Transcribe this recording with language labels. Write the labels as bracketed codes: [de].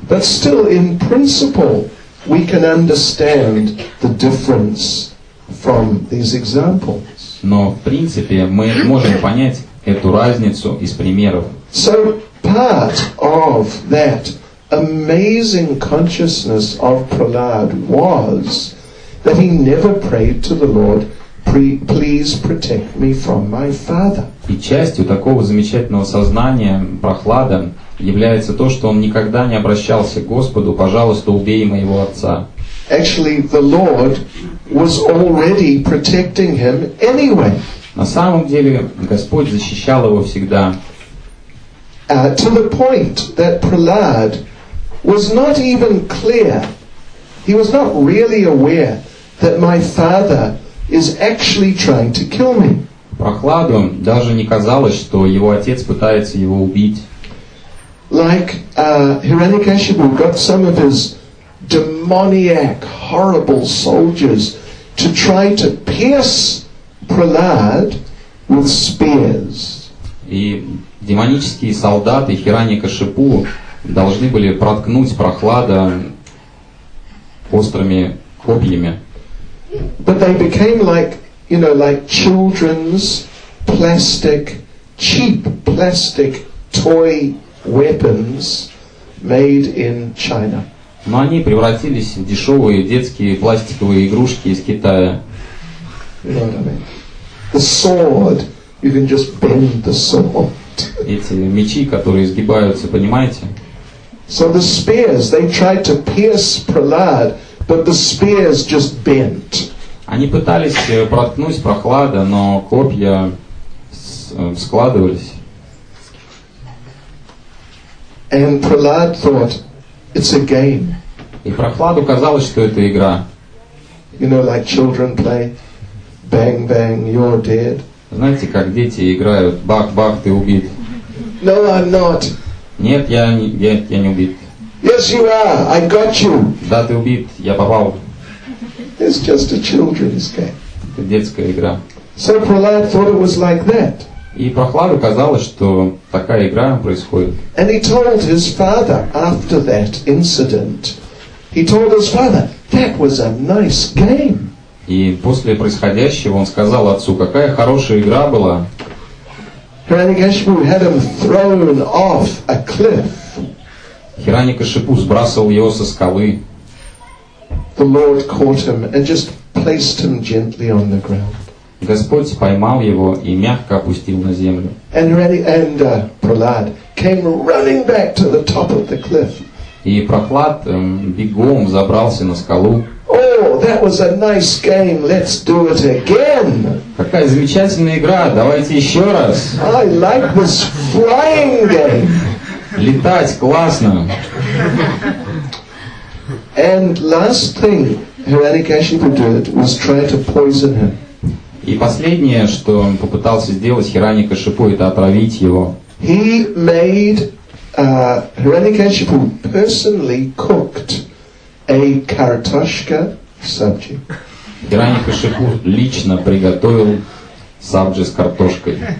[en] But still, in principle, we can understand the difference from these examples. [ru] Но в принципе мы можем понять эту разницу из примеров. [en] So part of that amazing consciousness of Prahlad was that he never prayed to the Lord, please protect me from my father. [ru] И частью такого замечательного сознания Прохлада является то, что он никогда не обращался к Господу, пожалуйста, убей моего отца. [en] Actually, the Lord was already protecting him anyway. [ru] На самом деле, Господь защищал его всегда. [en] To the point that Prahlad was not even clear. He was not really aware that my father is actually trying to kill me. [ru] Прохладу даже не казалось, что его отец пытается его убить. [en] Like Hiranyakashipu got some of his demoniac, horrible soldiers to try to pierce Prahlad with spears. [ru] И демонические солдаты Хиранья-Кашипу должны были проткнуть Прохлада острыми копьями. [en] But they became like, you know, like children's plastic, cheap plastic toy weapons made in China. [ru] Но они превратились в дешевые детские пластиковые игрушки из Китая. [en] The sword, you can just bend the sword. [ru] Эти мечи, которые сгибаются, понимаете? [en] So the spears, they tried to pierce Prahlad, but the spears just bent. [ru] Они пытались проткнуть Прохлада, но копья складывались. [en] And Prahlad thought, it's a game. [ru] И Прохладу казалось, что это игра. [en] You know, like children play, bang bang, you're dead. [ru] Знаете, как дети играют, бах бах, ты убит. [en] No, I'm not. [ru] Нет, я не убит. [en] Yes, you are. I got you. [ru] Да, ты убит, я попал. [en] It's just a children's game. [ru] Это детская игра. [en] So Prahlad thought it was like that. [ru] И Прохладу казалось, что такая игра происходит. [en] And he told his father after that incident. He told his father, that was a nice game. [ru] И после происходящего он сказал отцу, какая хорошая игра была. [en] Hiranyakashipu had him thrown off a cliff. [ru] Hiranyakashipu сбрасывал его со скалы. [en] The Lord caught him and just placed him gently on the ground. [ru] Господь поймал его и мягко опустил на землю. [en] And Prahlad came running back to the top of the cliff. [ru] И Прохлад бегом забрался на скалу. [en] Oh, that was a nice game. Let's do it again. [ru] Какая замечательная игра. Давайте еще раз. [en] I like this flying game. [ru] Летать классно. [en] And last thing Hiranyakashipu did was try to poison him. [ru] И последнее, что он попытался сделать Хиранья-Кашипу, это отравить его. [en] He made Hiranyakashipu personally cooked a kartoshka sabji. [ru] Hiranyakashipu лично приготовил сабджи с картошкой.